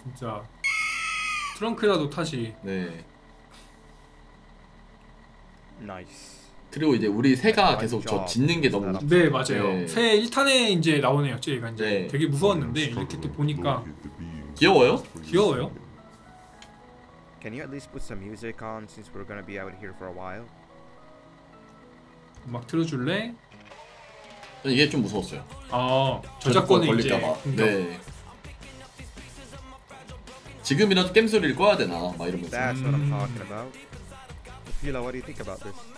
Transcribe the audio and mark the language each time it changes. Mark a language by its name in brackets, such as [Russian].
[Korean] 진짜 트렁크라도 타지. 네. 그리고 이제 우리 새가 계속 저 짖는 게 너무 네 맞아요. 네. 새 1탄에 이제 나오네요. 제가 이제 네. 되게 무서웠는데 이렇게 또 보니까 귀여워요? 귀여워요? [English] Can you at least put some music on since we're gonna be out here for a while? [Korean] 음악 틀어줄래? 이게 좀 무서웠어요. 아 저작권 걸릴까봐. 네. 지금이라도 게임 소리를 꺼야 되나 막 이런 거지. [English] That's what I'm talking about. Tequila, what do you think about this?